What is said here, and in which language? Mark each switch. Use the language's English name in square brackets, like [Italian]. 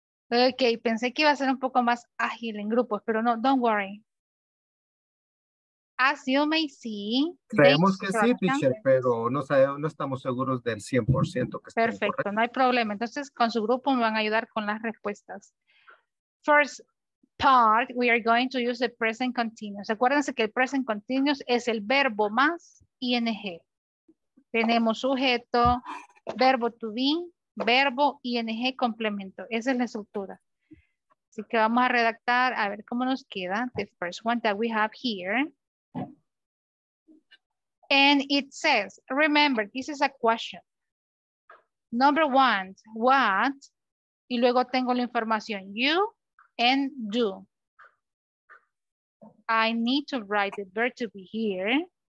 [Spanish] Ok, pensé que iba a ser un poco más ágil en grupos, pero no, [English] don't worry. As you may see. [Spanish] Creemos que sí, teacher, pero no, sabemos, no estamos seguros del 100% que está. Perfecto, no hay problema. Entonces, con su grupo me van a ayudar con las respuestas. [English] First part, we are going to use the present continuous. [Spanish] Acuérdense que el present continuous es el verbo más ing. Tenemos sujeto, verbo to be, verbo ing complemento. Esa es la estructura. Así que vamos a redactar, a ver cómo nos queda. [English] The first one that we have here. And it says, remember, this is a question. Number one, what? [Spanish] Y luego tengo la información, you and do. [English] I need to write the verb to be here.